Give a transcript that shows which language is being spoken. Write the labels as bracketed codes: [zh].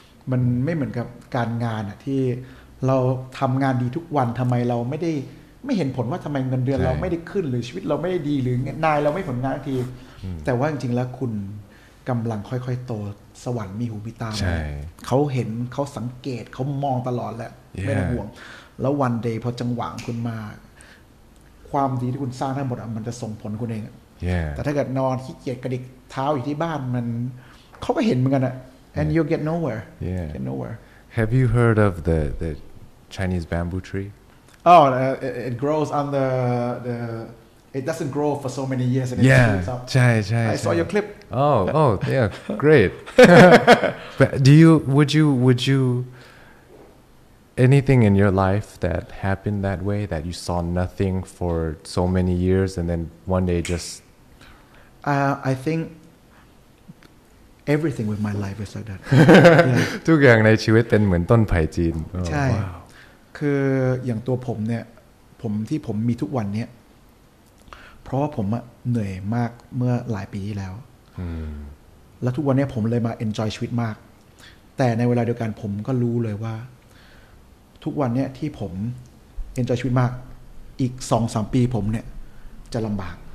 [th] มันไม่เหมือนกับการงานอ่ะที่เราทำงานดีทุกวันทำไมเราไม่เห็นผลว่าทำไมเงินเดือนเราไม่ได้ขึ้นหรือชีวิตเราไม่ได้ดีหรือนายเราไม่ผลงานทีแต่ว่าจริงๆแล้วคุณกำลังค่อยๆโตสวรรค์มีหูมีตาเขาเห็นเขาสังเกตเขามองตลอดแหละ [en] yeah. [th] ไม่ต้องห่วงแล้ววันเดย์พอจังหวะคุณมาความดีที่คุณสร้างทั้งหมดมันจะส่งผลคุณเอง [en] yeah. [th] แต่ถ้าเกิดนอนขี้เกียจกระดิกเท้าอยู่ที่บ้านมันเขาก็เห็นเหมือนกันอะ [en] and you get nowhere yeah. get nowhere have you heard of the Chinese bamboo tree Oh, it grows on the. It doesn't grow for so many years, and it yeah, shoots up. Yeah, [th] ใช่ใช่ [en] I saw your clip. Oh, yeah, great. But would you anything in your life that happened that way that you saw nothing for so many years and then one day just? I think everything with my life is like that. [th] ทุกอย่างในชีวิตเป็นเหมือนต้นไผ่จีน ใช่คืออย่างตัวผมเนี่ยผมที่ผมมีทุกวันเนี่ยเพราะว่าผมอะเหนื่อยมากเมื่อหลายปีที่แล้วแล้วทุกวันเนี่ยผมเลยมา enjoy ชีวิตมากแต่ในเวลาเดียวกันผมก็รู้เลยว่าทุกวันเนี่ยที่ผม enjoy ชีวิตมากอีก 2-3 ปีผมเนี่ยจะลำบาก